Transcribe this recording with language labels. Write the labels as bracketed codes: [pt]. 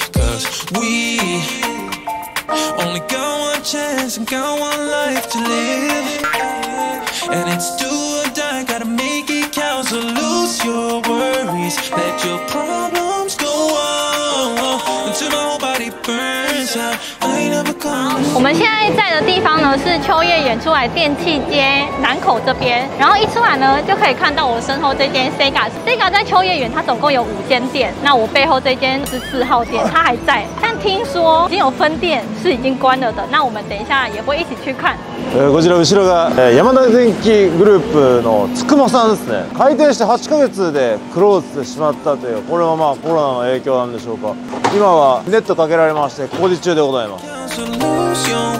[en] Cause we only got one chance and got one life to live. And it's do or die, gotta make it count. So lose your worries, let your problems go on until my whole body burns out. [zh] 我们现在在的地方呢是秋葉原出来电器街南口这边，然后一出来呢就可以看到我身后这间 Sega。 Sega 在秋葉原它总共有五间店，那我背后这间是四号店，它还在，但听说已经有分店是已经关了的，那我们等一下也会一起去看。 [ja] こちら後ろが山田電機グループの TSUKUMO さんですね。開店して8ヶ月でクローズしてしまったという、これはまあコロナの影響なんでしょうか。今はネットかけられまして工事中でございます。